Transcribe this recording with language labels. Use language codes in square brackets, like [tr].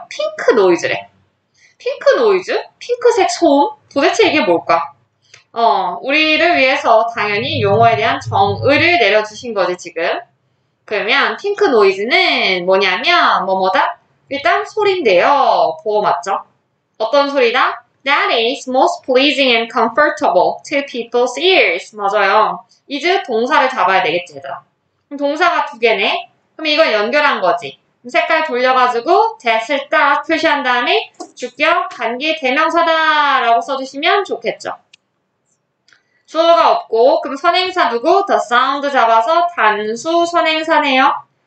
[ko] 핑크 노이즈래. 핑크 노이즈? 핑크색 소음? 도대체 이게 뭘까? 우리를 위해서 당연히 용어에 대한 정의를 내려주신 거지, 지금. 그러면 핑크 노이즈는 뭐냐면, 뭐뭐다? 일단 소리인데요. 보어 맞죠? 어떤 소리다? [en] That is most pleasing and comfortable to people's ears. [ko] 맞아요. is 동사를 잡아야 되겠지, 얘들아. 동사가 두 개네? 그럼 이건 연결한 거지. 색깔 돌려가지고, that을 딱 표시한 다음에, 주격, 관계, 대명사다라고 써주시면 좋겠죠. 주어가 없고, 그럼 선행사 누구? [en] The sound [ko] 잡아서 단수 선행사네요.